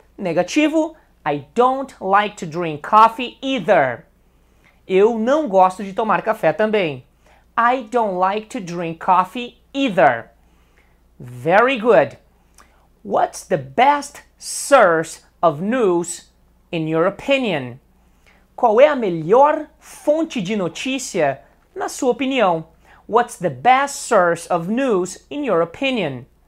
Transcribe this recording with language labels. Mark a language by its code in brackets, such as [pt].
[pt] Negativo, [en] I don't like to drink coffee either. [pt] Eu não gosto de tomar café também. [en] I don't like to drink coffee either. Very good. What's the best source of news In your opinion. [pt] Qual é a melhor fonte de notícia na sua opinião? [en] What's the best source of news in your opinion?